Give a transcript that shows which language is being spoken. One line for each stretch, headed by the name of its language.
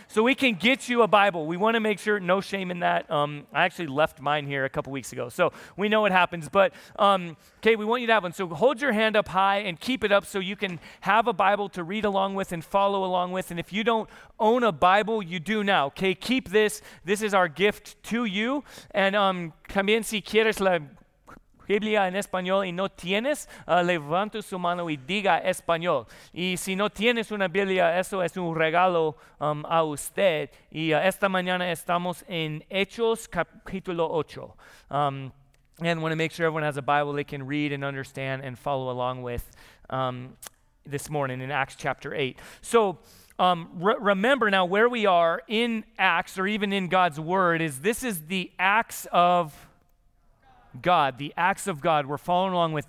English: So we can get you a Bible. We want to make sure, no shame in that. I actually left mine here a couple weeks ago. So we know what happens, but okay, we want you to have one. So hold your hand up high and keep it up so you can have a Bible to read along with and follow along with. And if you don't own a Bible, you do now. Okay, keep this. This is our gift to you.
Spanish: And también si quieres la Biblia en español y no tienes, levanta su mano y diga español. Y si no tienes una Biblia, eso es un regalo a usted. Y esta mañana estamos en Hechos capítulo 8.
English: And want to make sure everyone has a Bible they can read and understand and follow along with this morning in Acts chapter 8. So remember now where we are in Acts or even in God's word is this is the Acts of God, the Acts of God we're following along with.